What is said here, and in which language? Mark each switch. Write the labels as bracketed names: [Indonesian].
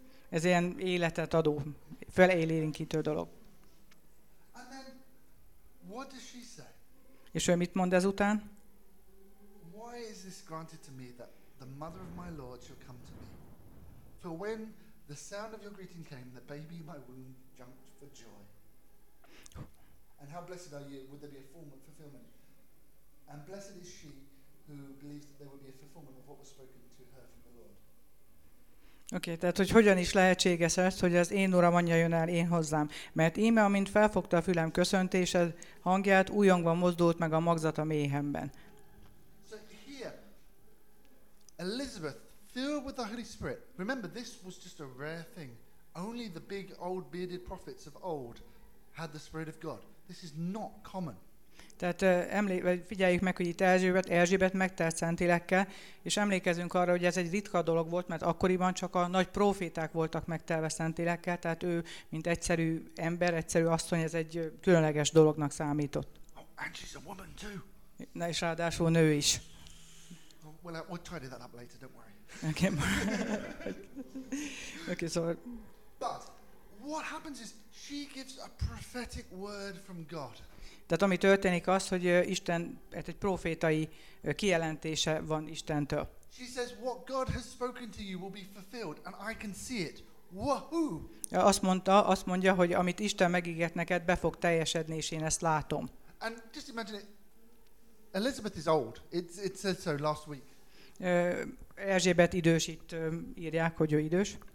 [Hungarian] Ez ilyen életet adó, felélénkítő dolog. [English] And then, what does she say? [Hungarian] És ő mit mond ezután? [English] Why is this granted to me that the mother of my Lord shall come to me? For when the sound of your greeting came, the baby in my womb jumped for joy. And how blessed are you? Would there be a fulfillment? And blessed is she who believes that there would be a fulfillment of what was spoken to her from the Lord. [Hungarian] Oké, okay, tehát hogy hogyan is lehetséges ez, hogy az én uram anyja jön el én hozzám? Mert íme, amint felfogta a fülem köszöntésed hangját, újongva mozdult meg a magzat a méhemben. [English] So here, Elizabeth, filled with the Holy Spirit. Remember, this was just a rare thing. Only the big old bearded prophets of old had the Spirit of God. This is not common. [Hungarian] Tehát figyeljük meg, hogy itt Erzsébet megtelt szentélekkel, és emlékezünk arra, hogy ez egy ritka dolog volt, mert akkoriban csak a nagy proféták voltak megtelve szentélekkel, tehát ő, mint egyszerű ember, egyszerű asszony, ez egy különleges dolognak számított. [English] Oh, and she's a woman too. [Hungarian] Na, és ráadásul nő is. [English] Oh, well, we'll tidy that up later, don't worry. Okay. Okay, so. But what happens is she gives a prophetic word from God. [Hungarian] Tehát ami történik az, hogy Isten egy profétai kijelentése van Istentől. [English] She says what God has spoken to you will be fulfilled and I can see it. Wahoo! [Hungarian] Azt mondja, hogy amit Isten megígért neked, be fog teljesedni, és én ezt látom. [English] And just imagine it. Elizabeth is old. It said so last week. [Hungarian] Erzsébet idős, itt írják, hogy ő idős.